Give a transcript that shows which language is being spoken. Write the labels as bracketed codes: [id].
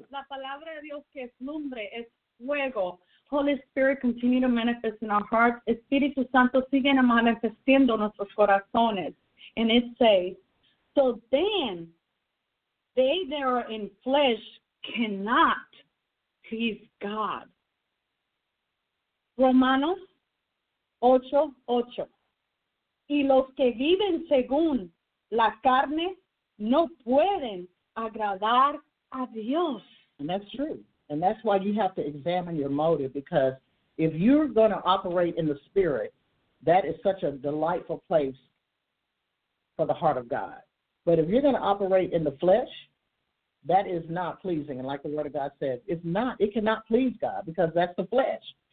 [es] La palabra de Dios que es lumbre, es fuego. [en] Holy Spirit, continue to manifest in our hearts. [es] Espíritu Santo, sigue manifestando nuestros corazones. [en] And it says, so then, they that are in flesh cannot please God. [es] Romanos 8, 8. Y los que viven según la carne no pueden agradar a Dios. [en] And that's true. And that's why you have to examine your motive, because if you're going to operate in the Spirit, that is such a delightful place for the heart of God. But if you're going to operate in the flesh, that is not pleasing. And like the Word of God says, it's not. It cannot please God, because that's the flesh.